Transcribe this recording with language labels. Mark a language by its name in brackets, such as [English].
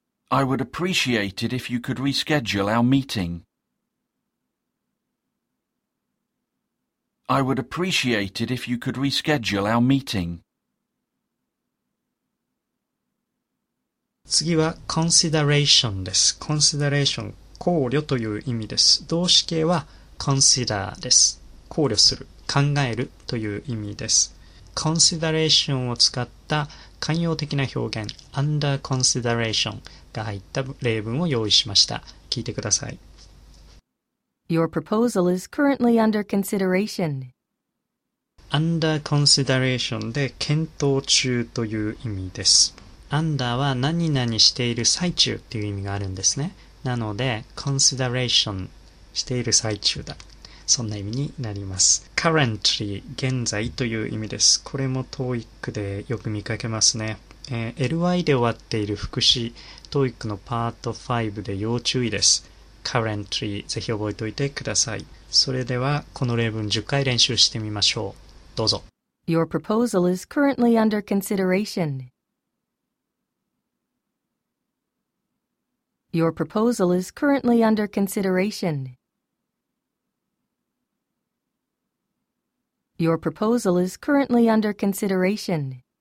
[English] I would appreciate it if you could reschedule our meeting. I would appreciate it if you could reschedule our meeting. [Japanese] 次は consideration です。consideration、考慮という意味です。動詞形は consider です。考慮する、考えるという意味です。 consideration を使った慣用的な表現 under consideration が入った例文を用意しました。聞いてください。 [English] Your proposal is currently under consideration. [Japanese] Under consideration で検討中という意味です。 Under は何々している最中っていう意味があるんですね。なので、consideration している最中だ。そんな意味になります。Currently 現在という意味です。これも TOEIC でよく見かけますね。LY で終わっている副詞、TOEIC のパート5で要注意です。 Currently ぜひ覚えておいてください。それではこの例文10回練習してみましょう。どうぞ。 [English] Your proposal is currently under consideration. Your proposal is currently under consideration. Your proposal is currently under consideration.